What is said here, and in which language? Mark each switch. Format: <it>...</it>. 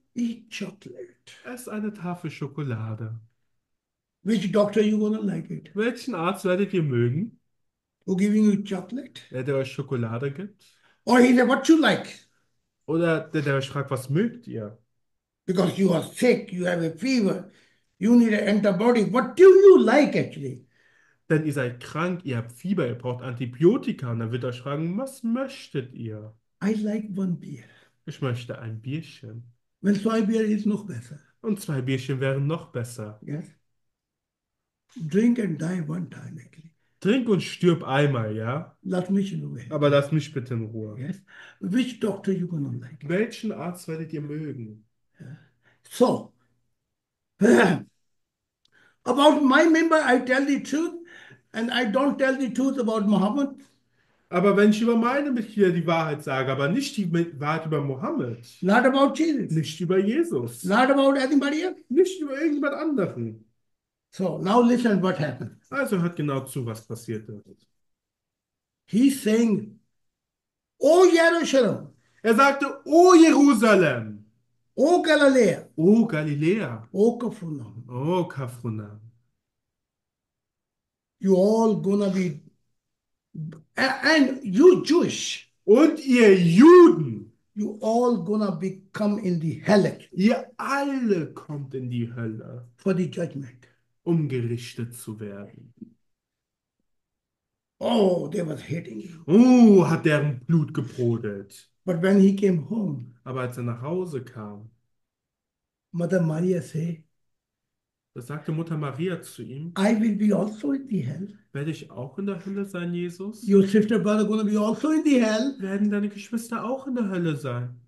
<en>Eat chocolate.</en> <de>Ess eine Tafel Schokolade.</de> <en>Which doctor you gonna like it?</en> <de>Welchen Arzt werdet ihr mögen?</de> <en>Who giving you chocolate?</en> <de>Der, der euch Schokolade gibt?</de> <en>Or he said, what you like?</en> <de>Oder der, der euch fragt, was mögt ihr?</de> <en>Because you are sick, you have a fever, you need an antibiotic. What do you like actually?</en> <de>Denn ihr seid krank, ihr habt Fieber, ihr braucht Antibiotika. Und dann wird er fragen, was möchtet ihr?</de> <en>I like one beer.</en> <de>Ich möchte ein Bierchen.</de> <en>Well,</en> <de>zwei Bier ist noch besser. Und zwei Bierchen wären noch besser.</de> <en>Yes? Drink and die one time actually.</en> <de>Trink und stirb einmal, ja? Lass mich in Ruhe. Aber lass mich bitte in Ruhe.</de> <en>Yes? Which doctor you gonna like?</en> <de>Welchen Arzt werdet ihr mögen?</de> <en>So, about my member, I tell the truth and I don't tell the truth about Mohammed.</en> <de>Aber wenn ich über meine Mitglieder die Wahrheit sage, aber nicht die Wahrheit über Mohammed,</de> <en>Not about Jesus.</en> <de>nicht über Jesus,</de> <en>Not about anybody else.</en> <de>nicht über irgendjemand anderen.</de> <en>So, now listen what happened.</en> <de>Also hört genau zu, was passiert ist.</de> <en>He's saying, oh Jerusalem,</en> <de>Er sagte, O Jerusalem,</de> <en>oh Galiläa,</en> <de>O Galiläa,</de> <en>oh Kapernaum,</en> <de>O Kapernaum.</de> <en>you all gonna be, and you Jewish,</en> <de>Und ihr Juden,</de> <en>you all gonna become in the hell actually,</en> <de>ihr alle kommt in die Hölle,</de> <en>for the judgment.</en> <de>um gerichtet zu werden.</de> <en>Oh, they was hating him.</en> <de>Oh, hat deren Blut gebrodelt.</de> <en>But when he came home,</en> <de>Aber als er nach Hause kam,</de> <en>Mother Maria say,</en> <de>da sagte Mutter Maria zu ihm,</de> <en>I will be also in the hell.</en> <de>werde ich auch in der Hölle sein, Jesus?</de> <en>Your sister brother gonna be also in the hell.</en> <de>Werden deine Geschwister auch in der Hölle sein?</de>